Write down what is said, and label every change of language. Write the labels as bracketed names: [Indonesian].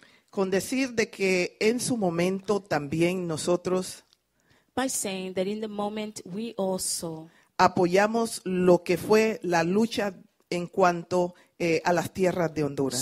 [Spanish] Con decir de que en su momento también nosotros. [English] By saying that in the moment we also [Spanish] apoyamos lo que fue la lucha en cuanto a las tierras de Honduras.